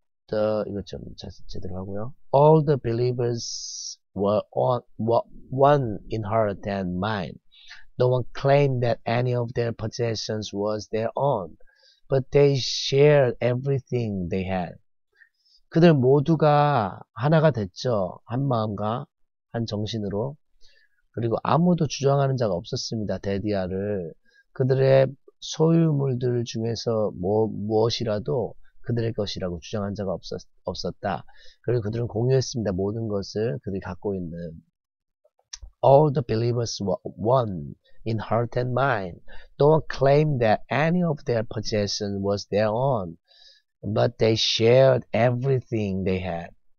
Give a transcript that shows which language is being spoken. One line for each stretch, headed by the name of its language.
English: All the believers were one in heart and mind. No one claimed that any of their possessions was their own. But they shared everything they had.
Korean: 그들 모두가 하나가 됐죠. 한 마음과 한 정신으로. 그리고 아무도 주장하는 자가 없었습니다. 데디아를. 그들의 소유물들 중에서 무엇이라도 그들의 것이라고 주장한 자가 없었다. 그리고 그들은 공유했습니다. 모든 것을 그들이 갖고 있는.
English: All the believers were one in heart and mind. No claim that any of their possession was their own, but they shared everything they had.